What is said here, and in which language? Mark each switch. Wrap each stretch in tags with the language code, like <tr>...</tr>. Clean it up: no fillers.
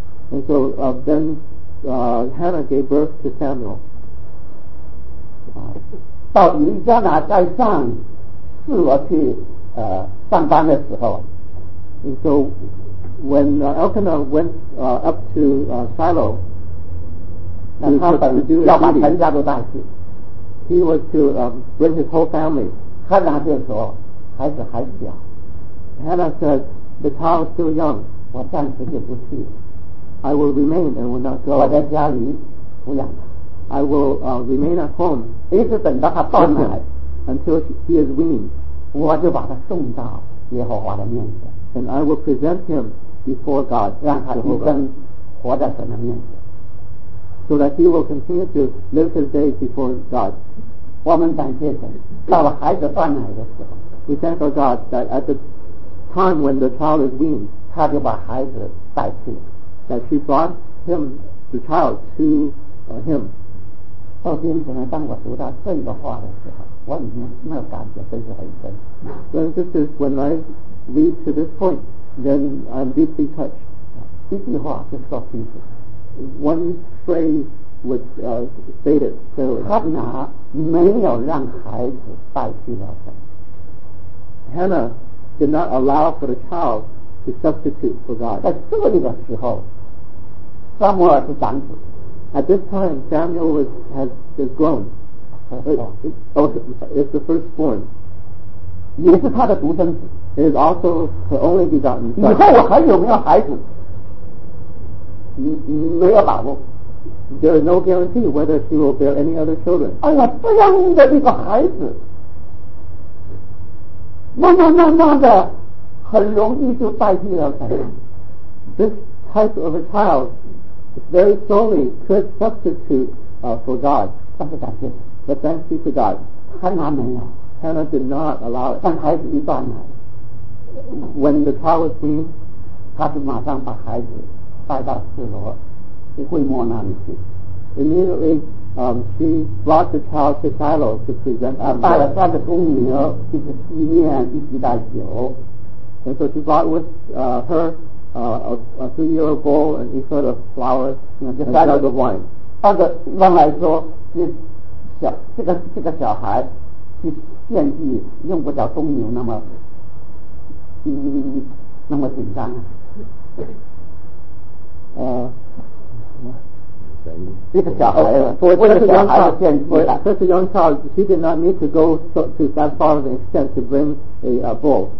<en>And so then Hannah gave birth to Samuel.</en> <zh>到以利加拿在上示罗去上班的时候。</zh> <en>And so when Elkanah went up to Shiloh,</en> <zh>那他本就要把全家都带去。</zh> <en>He was to bring his whole family.</en> <zh>汉娜就说孩子还小。</zh> <en>Hannah said, the child is still young.</en> <zh>我暂时就不去。</zh> <en>I will remain and will not go.</en> <zh>我在家里抚养他。</zh> <en>I will remain at home.</en> <zh>一直等到他到奶。</zh> <en>Until he is weaned.</en> <zh>我就把他送到耶和华的面前。</zh> <en>And I will present him before God.</en> <zh>让他一生活在神的面前。</zh> <en>So that he will continue to live his days before God.</en> <zh>我们感谢神，到了孩子断奶的时候，</zh> <en>we thank our God that at the time when the child is weaned,</en> <zh>他就把孩子带去，</zh> <en>that she brought him, the child, to him.</en> <zh>到今天呢，当我读到这个话的时候，我里面那个感觉真是很深。</zh> <en>Well, this is when I read to this point, then I'm deeply touched.</en> <zh>一句话就说清楚。</zh> <en>One phrase was stated clearly.</en> <zh>Hannah 没有让孩子代替了神。</zh> <en>Hannah did not allow for the child to substitute for God.</en> <zh>在这里的时候，撒母耳是长子。</zh> <en>At this time, Samuel has grown. It's the firstborn.</en> <zh>也是他的独生子。</zh> <en>It is also her only begotten son.</en> <zh>以后我还有没有孩子？没有把握。</zh> <en>There is no guarantee whether she will bear any other children.</en> <zh>哎呀，这样的一个孩子，那的，很容易就代替了神。</zh> <en>This type of a child very slowly could substitute for God.</en> <zh>但是感谢。</zh> <en>But thanks be to God.</en> <zh>Hannah 没有。</zh> <en>Hannah did not allow it.</en> <zh>但孩子一断奶。</zh> <en>When the child was weaned,</en> <zh>他就马上把孩子带到示罗会幕那里去。</zh> <en>Immediately, she brought the child to Shiloh to present.</en> <zh>带了他的公牛，一只细面，一只大酒。</zh> <en>And so she brought with her a 3-year-old bull, an ephod of flowers, and a jug of wine.</en> <zh>按照原来说，这个小孩去献祭，用不着公牛那么紧张啊。</zh> <en>Such a young child, she did not need to go to that far of an extent to bring a bull.</en>